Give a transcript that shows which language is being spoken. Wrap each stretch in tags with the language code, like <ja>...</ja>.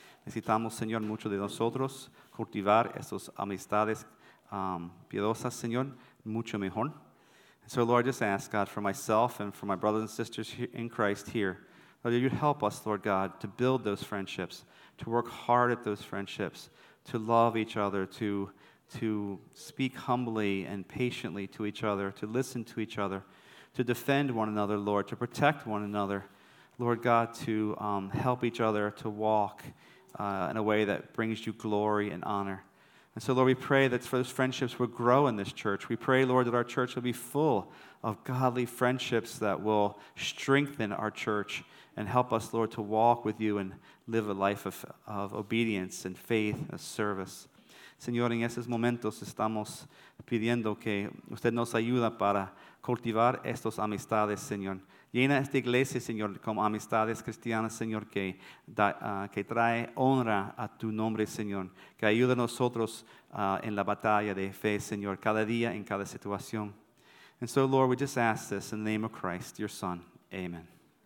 <es>Necesitamos, Señor, mucho de nosotros cultivar esas amistades piedosas, Señor, mucho mejor.</es> <en>So, Lord, I just ask, God, for myself and for my brothers and sisters in Christ here, Lord, you'd help us, Lord God, to build those friendships, to work hard at those friendships, to love each other, to speak humbly and patiently to each other, to listen to each other, to defend one another, Lord, to protect one another, Lord God, to help each other to walk in a way that brings you glory and honor. And so, Lord, we pray that those friendships will grow in this church. We pray, Lord, that our church will be full of godly friendships that will strengthen our church and help us, Lord, to walk with you and live a life of obedience and faith and service.</en> <es>Señor, en estos momentos estamos pidiendo que usted nos ayude para cultivar estas amistades, Señor. Llena esta iglesia, Señor, con amistades cristianas, Señor, que trae honra a tu nombre, Señor. Que ayude a nosotros en la batalla de fe, Señor, cada día, en cada situación.</es> <en>And so, Lord, we just ask this in the name of Christ, your Son. Amen.</en>